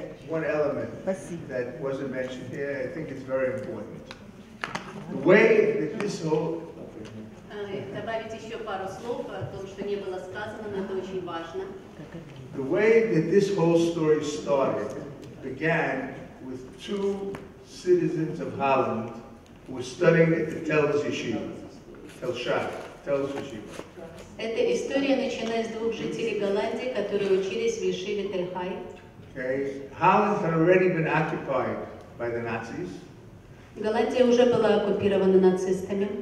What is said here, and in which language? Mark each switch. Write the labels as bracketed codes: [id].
[en] One element that wasn't mentioned here, I think it's very important. The way that this whole... [ru] Добавить еще пару слов о том, что не было сказано, но это очень важно. [en] The way that this whole story started began with two citizens of Holland who were studying at the Tel's Yeshiva. Tel's Yeshiva. [ru] Эта история начиналась с двух жителей Голландии, которые учились в Ешиве Тель-Хай. [en] Okay. Holland had already been occupied by the Nazis. [ru] Голландия уже была оккупирована нацистами.